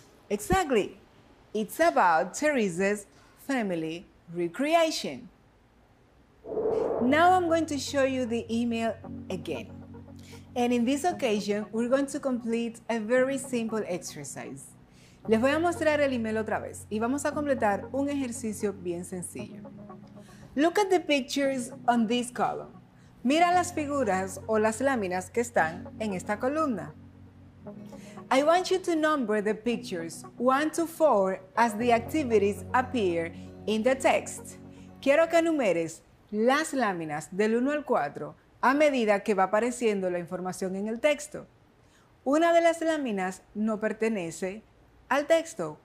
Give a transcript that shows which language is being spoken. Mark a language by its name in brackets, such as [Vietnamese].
[English] Exactly. It's about Teresa's family recreation. Now I'm going to show you the email again. And in this occasion, we're going to complete a very simple exercise. [Spanish] Les voy a mostrar el email otra vez y vamos a completar un ejercicio bien sencillo. [English] Look at the pictures on this column. [Spanish] Mira las figuras o las láminas que están en esta columna. [English] I want you to number the pictures 1 to 4 as the activities appear in the text. [Spanish] Quiero que enumeres las láminas del 1 al 4 a medida que va apareciendo la información en el texto. Una de las láminas no pertenece al texto.